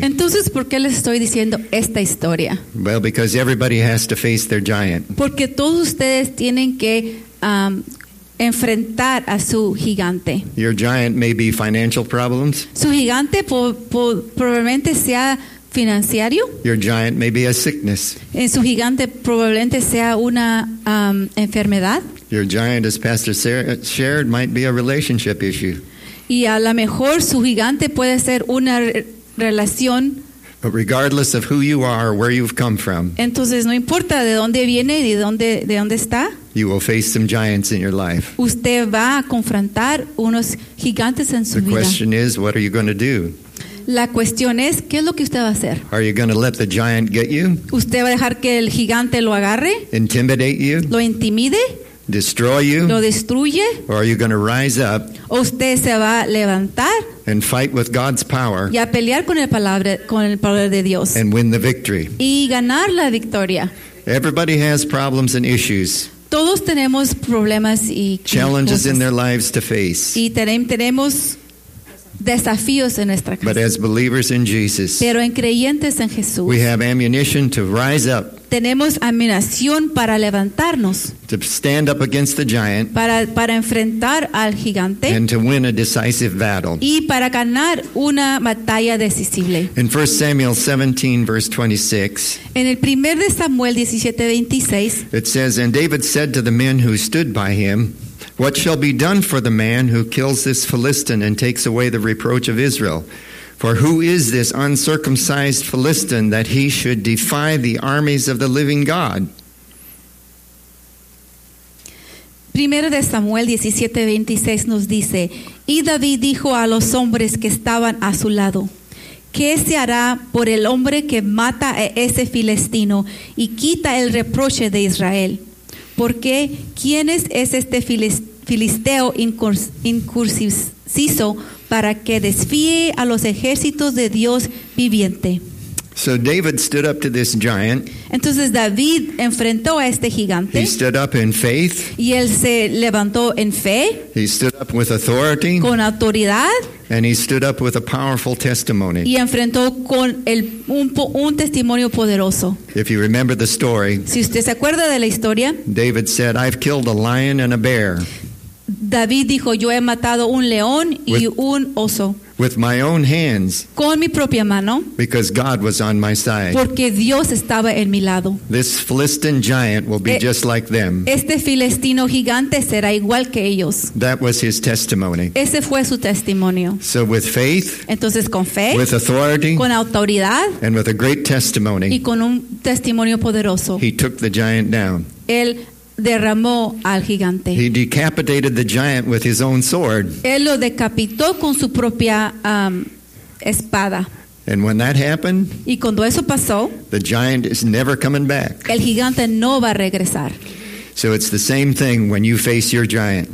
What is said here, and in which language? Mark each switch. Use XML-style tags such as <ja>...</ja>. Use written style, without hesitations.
<es>Entonces, ¿por qué les estoy diciendo esta historia?</es> <en>Well, because everybody has to face their giant.</en> <es>Porque todos ustedes tienen que enfrentar a su gigante.</es> <en>Your giant may be financial problems.</en> <es>Su gigante probablemente sea financiero.</es> <en>Your giant may be a sickness.</en> <es>En su gigante probablemente sea una enfermedad.</es> <en>Your giant, as Pastor Sarah shared, might be a relationship issue.</en> <es>Y a lo mejor su gigante puede ser una relación.</es> <en>But regardless of who you are or where you've come from.</en> <es>Entonces no importa de dónde viene y de dónde está.</es> <en>You will face some giants in your life.</en> <es>Usted va a confrontar unos gigantes en su vida.</es> <en>The question is, what are you going to do?</en> <es>La cuestión es, ¿qué es lo que usted va a hacer?</es> <en>Are you going to let the giant get you?</en> <es>¿Usted va a dejar que el gigante lo agarre?</es> <en>Intimidate you?</en> <es>¿Lo intimide?</es> <en>Destroy you?</en> <es>¿Lo destruye?</es> <en>Or are you going to rise up?</en> <es>¿O usted se va a levantar?</es> <en>And fight with God's power.</en> <es>Y a pelear con el poder de Dios.</es> <en>And win the victory.</en> <es>Y ganar la victoria.</es> <en>Everybody has problems and issues.</en> <es>Todos tenemos problemas y</es> <en>challenges</en> <es>cosas</es> <en>in their lives to face.</en> <es>Y tenemos desafíos en nuestra casa.</es> <en>But as believers in Jesus.</en> <es>Pero en creyentes en Jesús.</es> <en>We have ammunition to rise up.</en> <es>Tenemos ammunición para levantarnos.</es> <en>To stand up against the giant.</en> <es>Para enfrentar al gigante.</es> <en>And to win a decisive battle.</en> <es>Y para ganar una batalla decisiva.</es> <en>In 1 Samuel 17 verse 26.</en> <es>En el 1 Samuel 17:26.</es> <en>It says, and David said to the men who stood by him, what shall be done for the man who kills this Philistine and takes away the reproach of Israel? For who is this uncircumcised Philistine that he should defy the armies of the living God?</en> <es>Primero de Samuel 17:26 nos dice, y David dijo a los hombres que estaban a su lado, ¿qué se hará por el hombre que mata a ese filistino y quita el reproche de Israel? Porque ¿quién es este filisteo incircunciso para que desfíe a los ejércitos de Dios viviente?</es> <en>So David stood up to this giant.</en> <es>Entonces David enfrentó a este gigante.</es> <en>He stood up in faith.</en> <es>Y él se levantó en fe.</es> <en>He stood up with authority.</en> <es>Con autoridad.</es> <en>And he stood up with a powerful testimony.</en> <es>Y enfrentó con un testimonio poderoso.</es> <en>If you remember the story.</en> <es>Si usted se acuerda de la historia.</es> <en>David said, I've killed a lion and a bear.</en> <es>David dijo, yo he matado un león y un oso.</es> <en>With my own hands.</en> <es>Con mi propia mano.</es> <en>Because God was on my side.</en> <es>Porque Dios estaba en mi lado.</es> <en>This Philistine giant will be just like them.</en> <es>Este filistino gigante será igual que ellos.</es> <en>That was his testimony.</en> <es>Ese fue su testimonio.</es> <en>So with faith.</en> <es>Entonces con fe.</es> <en>With authority.</en> <es>Con autoridad.</es> <en>And with a great testimony.</en> <es>Y con un testimonio poderoso.</es> <en>He took the giant down.</en> <es>Él derramó al gigante.</es> <en>He decapitated the giant with his own sword.</en> <es>Él lo decapitó con su propia espada.</es> <en>And when that happened,</en> <es>y cuando eso pasó,</es> <en>the giant is never coming back.</en> <es>El gigante no va a regresar.</es> <en>So it's the same thing when you face your giant.</en>